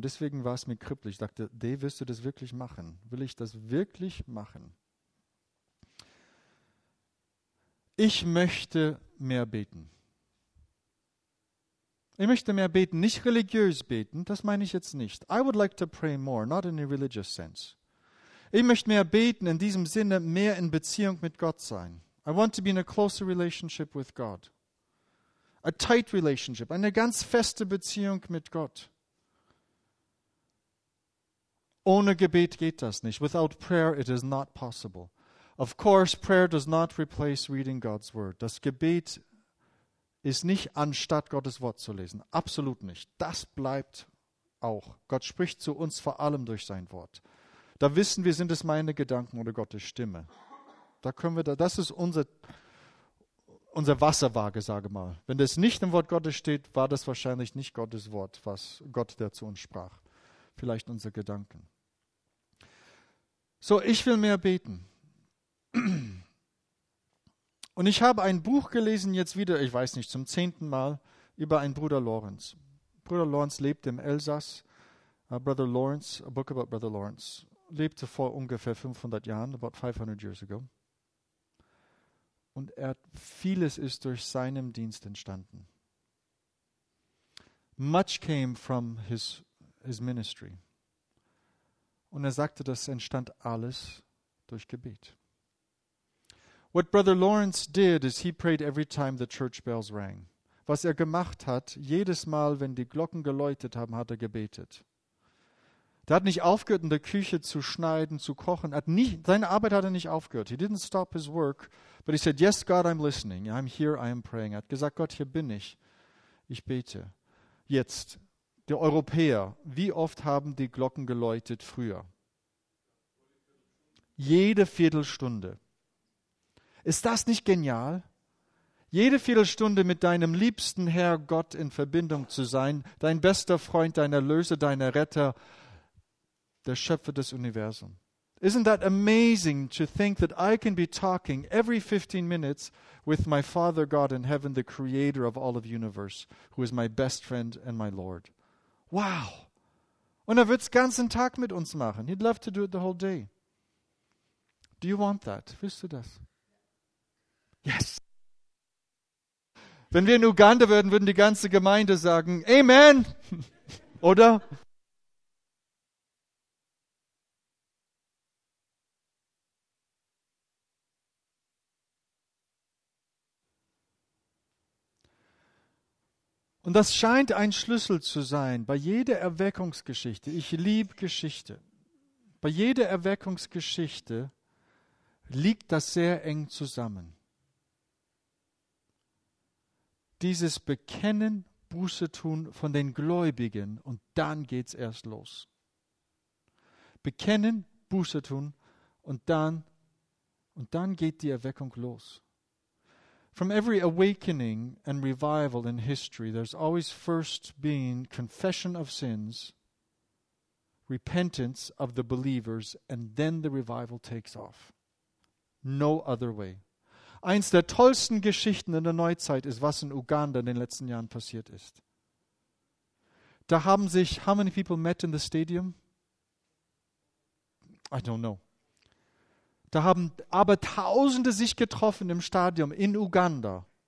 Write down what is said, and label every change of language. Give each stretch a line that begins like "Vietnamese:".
German: Deswegen war es mir kribbelig. Ich dachte, Dave, wirst du das wirklich machen? Will ich das wirklich machen? Ich möchte mehr beten. Ich möchte mehr beten, nicht religiös beten, das meine ich jetzt nicht.
English: I would like to pray more, not in a religious sense.
German: Ich möchte mehr beten, in diesem Sinne mehr in Beziehung mit Gott sein.
English: I want to be in a closer relationship with God. A tight relationship,
German: eine ganz feste Beziehung mit Gott. Ohne Gebet geht das nicht.
English: Without prayer, it is not possible. Of course, prayer does not replace reading God's word.
German: Das Gebet ist nicht anstatt Gottes Wort zu lesen. Absolut nicht. Das bleibt auch. Gott spricht zu uns vor allem durch sein Wort. Da wissen wir, sind es meine Gedanken oder Gottes Stimme. Da können wir da, das ist unsere Wasserwaage, sage mal. Wenn das nicht im Wort Gottes steht, war das wahrscheinlich nicht Gottes Wort, was Gott, der zu uns sprach. Vielleicht unsere Gedanken. So, ich will mehr beten. Und ich habe ein Buch gelesen, jetzt wieder, ich weiß nicht, zum 10. Mal, über einen Bruder Lawrence. Bruder Lawrence lebt im Elsass.
English: Brother Lawrence, a book about Brother Lawrence,
German: lebte vor ungefähr 500 Jahren,
English: about 500 years ago.
German: Und vieles ist durch seinen Dienst entstanden.
English: Much came from his ministry.
German: Und er sagte, das entstand alles durch Gebet.
English: What Brother Lawrence did is he prayed every time the church bells rang.
German: Was er gemacht hat, jedes Mal, wenn die Glocken geläutet haben, hat er gebetet. Der hat nicht aufgehört, in der Küche zu schneiden, zu kochen. Seine Arbeit hat er nicht aufgehört.
English: He didn't stop his work, but he said, yes, God, I'm listening. I'm here, I am praying.
German: Er hat gesagt, Gott, hier bin ich. Ich bete. Jetzt, der Europäer, wie oft haben die Glocken geläutet früher? Jede Viertelstunde. Ist das nicht genial? Jede Viertelstunde mit deinem liebsten Herr Gott in Verbindung zu sein, dein bester Freund, dein Erlöser, dein Retter, der Schöpfer des Universums.
English: Isn't that amazing to think that I can be talking every 15 minutes with my Father God in heaven, the creator of all of the universe, who is my best friend and my Lord. Wow!
German: Und er wird es ganzen Tag mit uns machen.
English: He'd love to do it the whole day. Do you want that?
German: Willst du das?
English: Yes!
German: Wenn wir in Uganda würden, würden die ganze Gemeinde sagen, Amen! Oder? Und das scheint ein Schlüssel zu sein bei jeder Erweckungsgeschichte. Ich liebe Geschichte. Bei jeder Erweckungsgeschichte liegt das sehr eng zusammen. Dieses Bekennen, Buße tun von den Gläubigen und dann geht's erst los. Bekennen, Buße tun und dann geht die Erweckung los.
English: From every awakening and revival in history, there's always first been confession of sins, repentance of the believers, and then the revival takes off. No other way.
German: Eins der tollsten Geschichten in der Neuzeit ist, was in Uganda in den letzten Jahren passiert ist. Da haben sich,
English: how many people met in the stadium? I don't know.
German: Da haben aber Tausende sich getroffen im Stadion in Uganda.